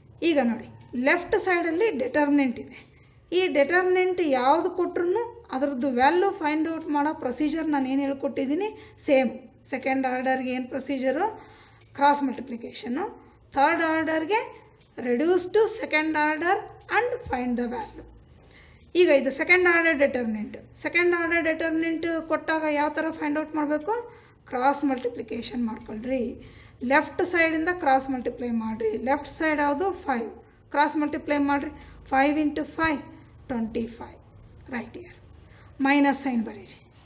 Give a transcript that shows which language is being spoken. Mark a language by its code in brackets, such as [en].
[kn] ಈಗ ನೋಡಿ, ಲೆಫ್ಟ್ ಸೈಡಲ್ಲಿ ಡಿಟರ್ಮಿನೆಂಟ್ ಇದೆ. ಈ ಡಿಟರ್ಮಿನೆಂಟ್ ಯಾವುದು ಕೊಟ್ಟರು ಅದರದ್ದು ವ್ಯಾಲ್ಯೂ ಫೈಂಡ್ ಔಟ್ ಮಾಡೋ ಪ್ರೊಸೀಜರ್ ನಾನು ಏನು ಹೇಳ್ಕೊಟ್ಟಿದ್ದೀನಿ ಸೇಮ್. ಸೆಕೆಂಡ್ ಆರ್ಡರ್ಗೆ ಏನು ಪ್ರೊಸೀಜರು? ಕ್ರಾಸ್ ಮಲ್ಟಿಪ್ಲಿಕೇಶನ್ನು. ಥರ್ಡ್ ಆರ್ಡರ್ಗೆ [en] reduce to second order and find the value. [kn] ಈಗ ಇದು second order determinant. Second order determinant ಕೊಟ್ಟಾಗ ಯಾವ ಥರ ಫೈಂಡ್ ಔಟ್ ಮಾಡಬೇಕು? ಕ್ರಾಸ್ ಮಲ್ಟಿಪ್ಲಿಕೇಶನ್ ಮಾಡ್ಕೊಳ್ರಿ. ಲೆಫ್ಟ್ ಸೈಡಿಂದ ಕ್ರಾಸ್ ಮಲ್ಟಿಪ್ಲೈ ಮಾಡಿರಿ. ಲೆಫ್ಟ್ ಸೈಡ್ ಯಾವುದು? ಫೈವ್. ಕ್ರಾಸ್ ಮಲ್ಟಿಪ್ಲೈ ಮಾಡಿರಿ. Five into five 25. Right year minus sine ಬರೀರಿ.